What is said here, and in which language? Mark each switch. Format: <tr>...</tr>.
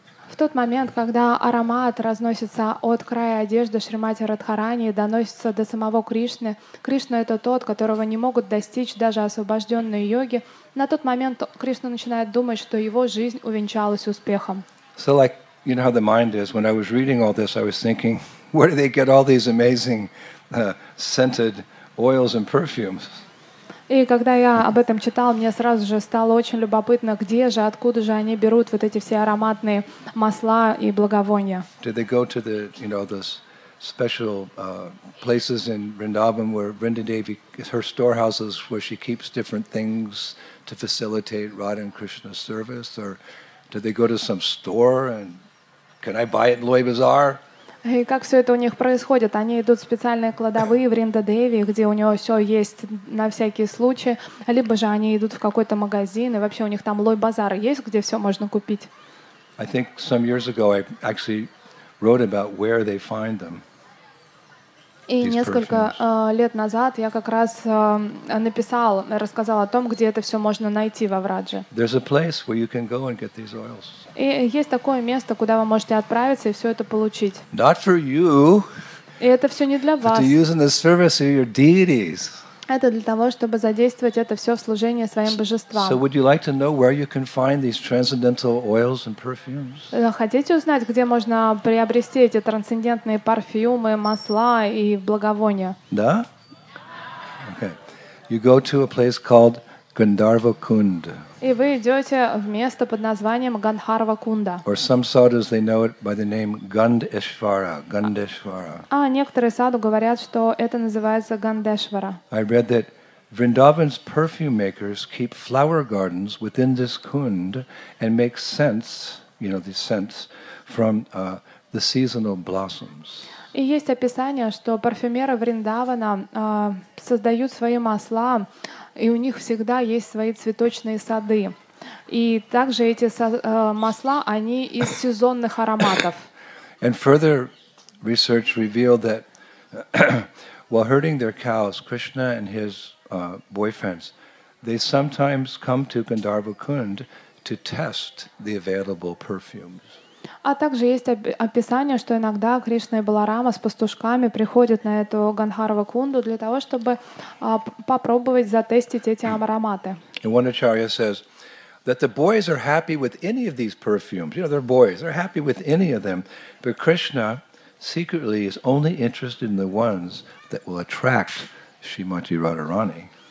<ru>В тот момент, когда аромат разносится от края одежды Шримати Радхарани и доносится до самого Кришны, Кришна — это тот, которого не могут достичь даже освобожденные йоги, на тот момент Кришна начинает думать, что его жизнь увенчалась успехом.</ru> <en>So like, you know how the mind is, when I was reading all this, I was thinking, where do they get all these amazing scented oils and perfumes?</en> <ru>И когда я об этом читал, мне сразу же стало очень любопытно, где же, откуда же они берут вот эти все ароматные масла и благовония.</ru> <en>Did they go to the, you know, those special places in Vrindavan where Vrindadevi, her storehouses where she keeps different things to facilitate Radha and Krishna's service? Or did they go to some store and can I buy it in Loy Bazaar?</en> <ru>И как все это у них происходит? Они идут в специальные кладовые в Риндадеви, где у него все есть на всякий случай, либо же они идут в какой-то магазин, и вообще у них там Лой Базар есть, где все можно купить.</ru> <en>I think some years ago I actually wrote about where they find them.</en> <ru>И несколько лет назад я как раз написал, рассказал о том, где это все можно найти во Врадже.</ru> <en>There's a place where you can go and get these oils.</en> <ru>И есть такое место, куда вы можете отправиться и все это получить.</ru> <en>Not for you.</en> <ru>И это все не для вас.</ru> <en>To use in the service of your deities.</en> <ru>Это для того, чтобы задействовать это все в служении своим божествам.</ru> <en>So would you like to know where you can find these transcendental oils and perfumes?</en> <ru>Хотите узнать, где можно приобрести эти трансцендентные парфюмы, масла и благовония?</ru> <en>Да? Okay. You go to a place called Gandharva Kund.</en> <ru>И вы идете в место под названием Гандхарва Кунда.</ru> <en>Or some sadhus they know it by the name Gandeshvara. Gandeshvara.</en> <ru>А некоторые саду говорят, что это называется Гандешвара.</ru> <en>I read that Vrindavan's perfume makers keep flower gardens within this kund and make scents, you know, the scents from the seasonal blossoms.</en> <ru>И есть описание, что парфюмеры Вриндавана создают свои масла, и у них всегда есть свои цветочные сады. И также эти масла, они из сезонных ароматов.</ru> <en>And further research revealed that while herding their cows, Krishna and his boyfriends, they sometimes come to Gandharva Kund to test the available perfumes.</en> <ru>А также есть описание, что иногда Кришна и Баларама с пастушками приходят на эту Гандхарва Кунду для того, чтобы попробовать затестить эти ароматы.</ru> <en>И one acharya says that the boys are happy with any of these perfumes. You know, they're boys. They're happy with any of them. But Krishna secretly is only interested in the ones that will attract Shrimati Radharani.</en>